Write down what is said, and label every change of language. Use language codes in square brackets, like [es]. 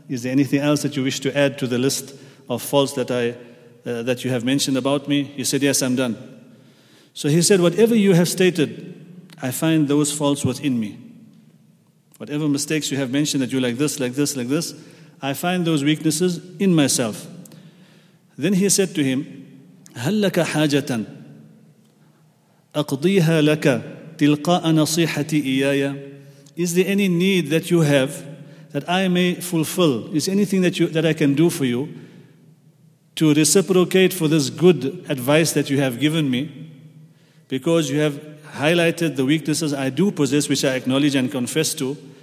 [en] Is there anything else that you wish to add to the list of faults that you have mentioned about me? He said, yes, I'm done. So he said, whatever you have stated, I find those faults within me. Whatever mistakes you have mentioned, that you're like this, like this, like this, I find those weaknesses in myself. Then he said to him, [ar] هَلْ لَكَ حَاجَةً أَقْضِيهَا لَكَ تِلْقَاءَ نَصِيحَةِ إِيَايَا. [en] Is there any need that you have that I may fulfill? Is anything that I can do for you? to reciprocate for this good advice that you have given me, because you have highlighted the weaknesses I do possess, which I acknowledge and confess to.